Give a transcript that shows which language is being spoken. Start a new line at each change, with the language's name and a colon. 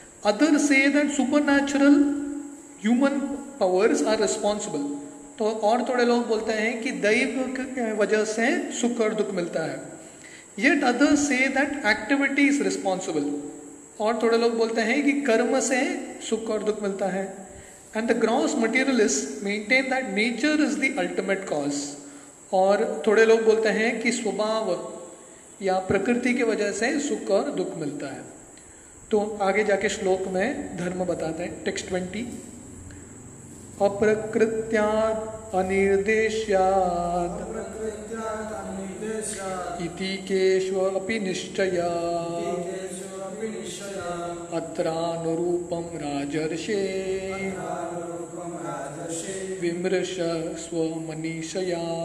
English: Other say that supernatural human powers are responsible.
Hindi: तो और थोड़े लोग बोलते हैं कि दैव के वजह से सुख और दुख मिलता है। Yet other say that activity is responsible. और थोड़े लोग बोलते हैं कि कर्म से सुख और दुख मिलता है।
English: And the gross materialists maintain that nature is the ultimate cause.
Hindi: और थोड़े लोग बोलते हैं कि स्वभाव या प्रकृति की वजह से सुख और दुख मिलता है। तो आगे जाके श्लोक में धर्म बताते हैं, टेक्स्ट 20।
Sanskrit: अप्रकृत्यात् अनिर्देश्यात् इति केष्व अपि निश्चया अत्रानुरूपं राजर्षे विमृश स्वमनीषया।